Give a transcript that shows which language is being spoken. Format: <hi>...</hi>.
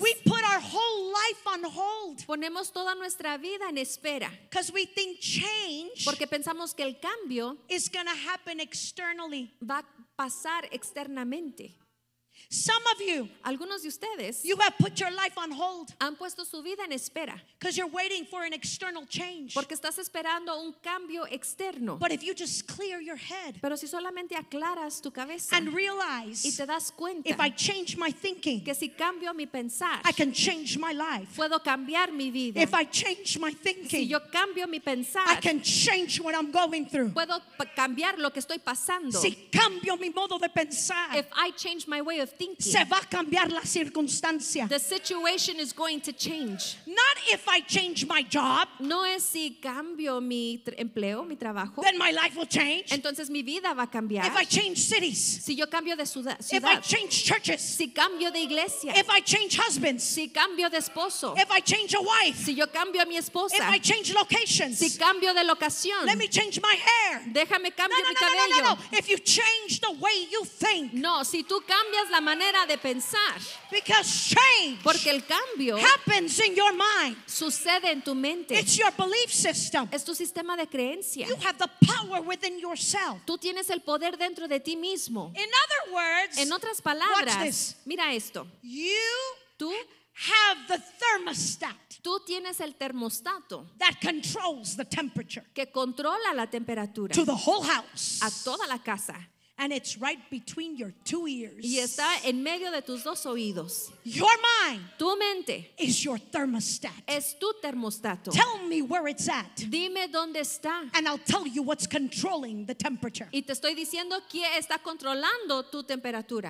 <en>we put our whole life on hold.</en> <es>Ponemos toda nuestra vida en espera.</es> <en>Because we think change,</en> <es>porque pensamos que el cambio</es> <en>is going to happen externally.</en> <es>Va a pasar externamente.</es> <en>Some of you,</en> <es>algunos de ustedes,</es> <en>you have put your life on hold.</en> <es>Han puesto su vida en espera.</es> <en>Because you're waiting for an external change.</en> <es>Porque estás esperando un cambio externo.</es> <en>But if you just clear your head,</en> <es>pero si solamente aclaras tu cabeza,</es> <en>and realize,</en> <es>y te das cuenta,</es> <en>if I change my thinking,</en> <es>que si cambio mi pensar,</es> <en>I can change my life.</en> <es>Puedo cambiar mi vida.</es> <en>If I change my thinking,</en> <es>si yo cambio mi pensar,</es> <en>I can change what I'm going through.</en> <es>Puedo cambiar lo que estoy pasando. Si cambio mi modo de pensar,</es> <en>if I change my way of thinking,</en> <es>se va a cambiar la circunstancia.</es> <en>The situation is going to change. Not if I change my job.</en> <es>No es si cambio mi empleo, mi trabajo.</es> <en>Then my life will change.</en> <es>Entonces mi vida va a cambiar.</es> <en>If I change cities.</en> <es>Si yo cambio de ciudad.</es> <en>If I change churches.</en> <es>Si cambio de iglesia.</es> <en>If I change husbands.</en> <es>Si cambio de esposo.</es> <en>If I change a wife.</en> <es>Si yo cambio a mi esposa.</es> <en>If I change locations.</en> <es>Si cambio de locación.</es> <en>Let me change my hair.</en> <es>Déjame cambio mi cabello.</es> <en>No, no, no, no, no. If you change the way you think.</en> <es>No, si tú cambias la manera de pensar.</es> <en>Because change,</en> <es>porque el cambio</es> <en>happens in your mind.</en> <es>Sucede en tu mente.</es> <en>It's your belief system.</en> <es>Es tu sistema de creencia.</es> <en>You have the power within yourself.</en> <es>Tú tienes el poder dentro de ti mismo.</es> <en>In other words,</en> <es>en otras palabras,</es> <en>watch this.</en> <es>Mira esto.</es> <en>You</en> <es>tú</es> <en>have the thermostat.</en> <es>Tú tienes el termostato</es> <en>that controls the temperature.</en> <es>Que controla la temperatura.</es> <en>To the whole house.</en> <es>A toda la casa.</es> <en>And it's right between your two ears.</en> <es>Y está en medio de tus dos oídos.</es> <en>Your mind,</en> <es>tu mente,</es> <en>is your thermostat.</en> <es>Es tu termostato.</es> <en>Tell me where it's at.</en> <es>Dime dónde está.</es> <en>And I'll tell you what's controlling the temperature.</en> <es>Y te estoy diciendo quién está controlando tu temperatura.</es>